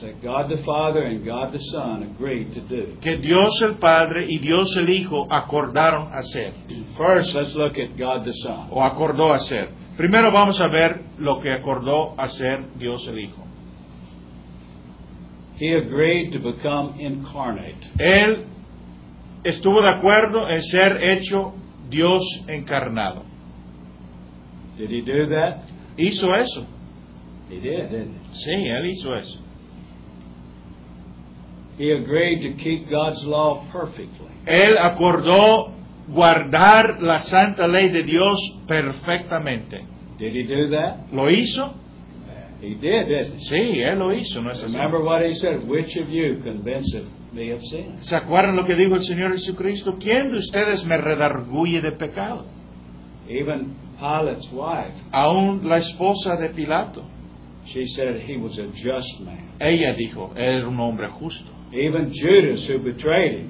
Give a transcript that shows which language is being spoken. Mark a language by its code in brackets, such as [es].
[en] That God the Father and God the Son agreed to do. [es] Que Dios el Padre y Dios el Hijo acordaron hacer. [en] First, let's look at God the Son. [es] O acordó hacer. Primero vamos a ver lo que acordó hacer Dios el Hijo. [en] He agreed to become incarnate. [es] Él estuvo de acuerdo en ser hecho Dios encarnado. [en] Did he do that? [es] Hizo eso. [en] He did, didn't he? [es] Sí, él hizo eso. [en] He agreed to keep God's law perfectly. [es] Él acordó guardar la santa ley de Dios perfectamente. [en] Did he do that? [es] ¿Lo hizo? [en] He did, didn't he? [es] Sí, él lo hizo, ¿no es así? [en] Remember what he said, which of you convinceth me of sin? [es] ¿Se acuerdan lo que dijo el Señor Jesucristo? ¿Quién de ustedes me redarguye de pecado? [en] Even Pilate's wife. [es] Aún la esposa de Pilato. [en] She said he was a just man. [es] Ella dijo, era un hombre justo. [en] Even Judas, who betrayed him.